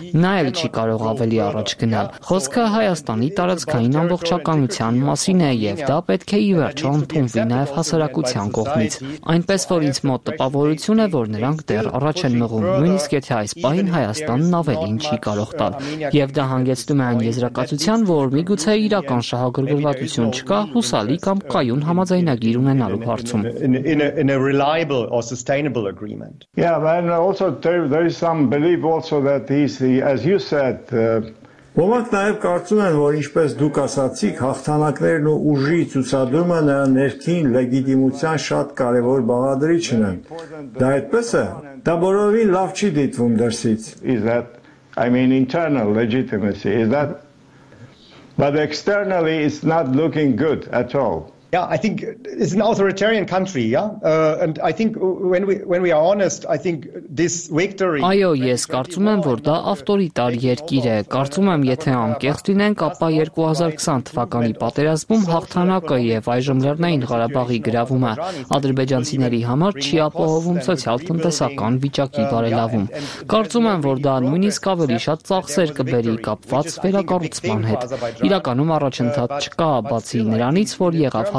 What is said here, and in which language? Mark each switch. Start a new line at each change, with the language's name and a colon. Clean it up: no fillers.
Armenian: նա էլ չի կարող ավելի առաջ գնալ։ Խոսքը Հայաստանի տարածքային ամբողջականության մասին ինը եւ դա պետք է ի վերջո ընդունվի նաեւ հասարակության կողմից, այնպես որ ինձ մոտ տպավորություն է, որ նրանք դեռ առաջ են մղում, նույնիսկ եթե այս պահին Հայաստանն ավելին չի կարող տալ, եւ դա հանգեցնում է այն եզրակացության, որ միգուցե իրական շահագրգռվածություն չկա հուսալի կամ կայուն համաձայնագիր ունենալու հարցում։
English: In a reliable or sustainable agreement. Yeah, and also there is some belief also that these, as you said,
Armenian: Ոմանք նաև կարծում են, որ ինչպես դուք ասացիք, հաղթանակներն ու ուժի ցուցադրումը նրա ներքին լեգիտիմության շատ կարևոր բաղադրիչն են։ Դա այդպես է, դա բոլորովին լավ չի դիտվում դրսից։
English: Is that, I mean, internal legitimacy, is that, but externally it's not looking good at all. Yeah, I think it's an authoritarian country, yeah? And I think when we are honest, I think this victory.
Armenian: Այո, ես կարծում եմ, որ դա ավտորիտար երկիր է։ Կարծում եմ, եթե անկեղծ լինենք, ապա 2020 թվականի պատերազմում հաղթանակը եւ այժմ Լեռնային Ղարաբաղի գրավումը ադրբեջանցիների համար չի ապահովում սոցիալ-տնտեսական վիճակի բարելավում։ Կարծում եմ, որ դա նույնիսկ ավելի շատ ծախսեր կբերի կապված վերակառուցման հետ։ Իրականում առաջընթաց չկա, բացի նրանից, որ եղավ